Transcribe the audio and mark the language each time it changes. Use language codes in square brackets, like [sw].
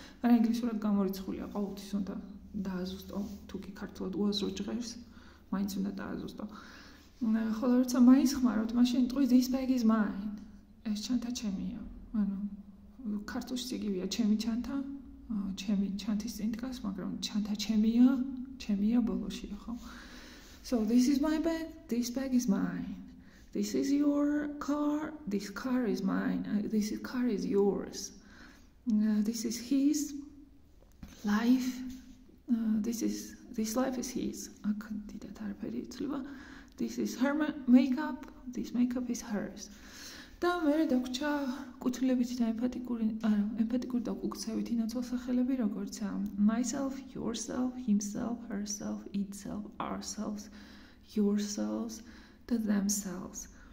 [ka] მაგრამ ინგლისურად გამორიცხულია, ყოველთვის უნდა დააზუსტო, თუ კი ქართულად უაზრო ჟღერს, მაინც უნდა დააზუსტო. ხოლო როცა მაინც ხმარობთ, მაშინ ვიტყვი [en] this bag is mine. [ka] ეს ჩანთა ჩემია. ანუ ქართულში იგივეა, ჩემი ჩანთა, ჩემი ჩანთის წინ დგას, მაგრამ ჩანთა ჩემია, ჩემია ბოლოში, ხო? [en] So this is my bag, this bag is mine. This is your car, this car is mine. This is car is yours. This is his life. This life is his. [ka] აქ დიდად არაფერი იცლება. [en] This is her makeup, this makeup is hers. [ka] და მე დაგვჭა კუთვნილებითი და ემპათიკური, არა, ემპათიკური და უკცევითი ნაცვლსახელები, როგორცა [en] myself, yourself, himself, herself, itself, ourselves, yourselves, [ka] და themselves.